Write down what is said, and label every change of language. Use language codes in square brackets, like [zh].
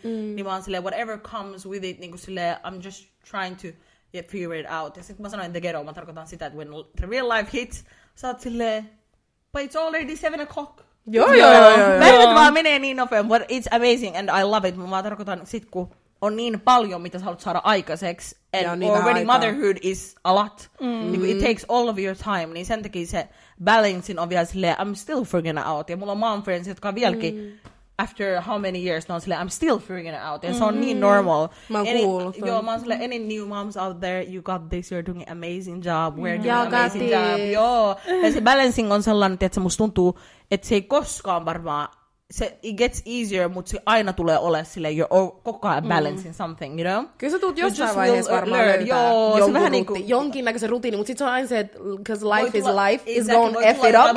[fi] Niin mä oon silleen, [en] whatever comes with it, [fi] niinku silleen, [en] I'm just trying to figure it out. [fi] Ja sit kun mä sanoin [en] the ghetto, [fi] mä tarkoitan sitä, että [en] when the real life hits, [fi] sä oot silleen, [en] but it's already 7 o'clock. [fi] Joo, joo, joo. Päivät vaan menee niin nopeen, [en] but it's amazing and I love it. [fi] Mä tarkoitan sit, kun on niin paljon, mitä sä haluat saada aikaiseksi, and joo, [en] already [fi] aikaa. [en] Motherhood is a lot. Niin, it takes all of your time, [fi] niin sen takia se [en] balancing [fi] on vielä silleen, [en] I'm still figuring it out. [fi] Ja mulla on [en] mom friends, [fi] jotka on vieläkin, [en] after how many years, [fi] ne on silleen, [en] I'm still figuring it out. Ja se on niin normal. Mä oon kuullut. [fi] Joo, mä oon silleen, [en] any new moms out there, you got this, you're doing an amazing job, we're doing an amazing job. [fi] Joo, ja se balancing on sellainen, että se musta tuntuu, että se ei koskaan varmaan, se, [en] it gets easier, [fi] mutta se aina tulee olemaan silleen, you're koko ajan [en] balancing something, you know? [fi] Kyllä sä tuut jossain vaiheessa varmaan löytää joo, se vähän niinku, jonkinnäköisen rutiini, mutta sit se on aina se, että [en] because life [fi] tulla, [en] is life, exactly, is going f it up.